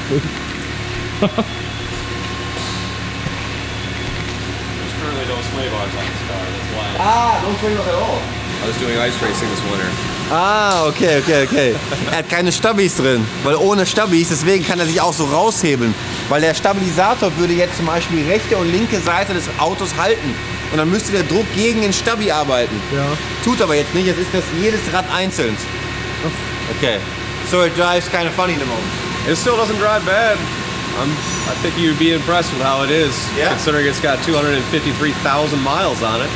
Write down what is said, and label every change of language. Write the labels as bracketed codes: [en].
[en] There's currently no sway bars on this car, that's why. Ah, don't sway bars at all. I was doing ice racing this winter. Ah, okay. [de] Er hat keine Stabis drin, weil ohne Stabis, deswegen kann er sich auch so raushebeln. Weil der Stabilisator würde jetzt zum Beispiel rechte und linke Seite des Autos halten. Und dann müsste der Druck gegen den Stabi arbeiten. Ja. Tut aber jetzt nicht, jetzt ist das jedes Rad einzeln. Okay. [en] So it drives kind of funny in the moment. It still doesn't drive bad. I think you'd be impressed with how it is, considering it's got 253,000 miles on it.